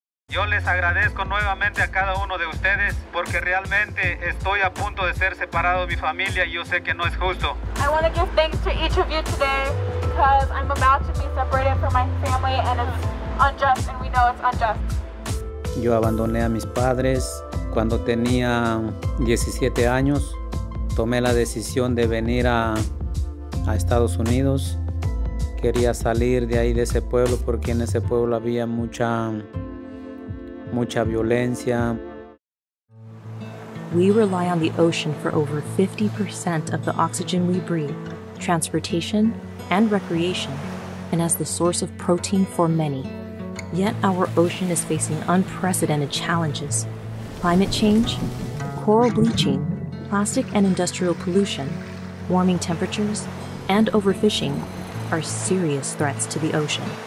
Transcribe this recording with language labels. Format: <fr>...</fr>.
<es>Yo les agradezco nuevamente a cada uno de ustedes porque realmente estoy a punto de ser separado de mi familia y yo sé que no es justo.</es> <en>I want to give thanks to each of you today because I'm about to be separated from my family and it's unjust and we know it's unjust.</en> <es>Yo abandoné a mis padres cuando tenía 17 años. Tomé la decisión de venir a Estados Unidos. Quería salir de ahí, de ese pueblo, porque en ese pueblo había mucha violencia.</es> <en>We rely on the ocean for over 50% of the oxygen we breathe, transportation, and recreation, and as the source of protein for many. Yet our ocean is facing unprecedented challenges. Climate change, coral bleaching, plastic and industrial pollution, warming temperatures, and overfishing are serious threats to the ocean.</en>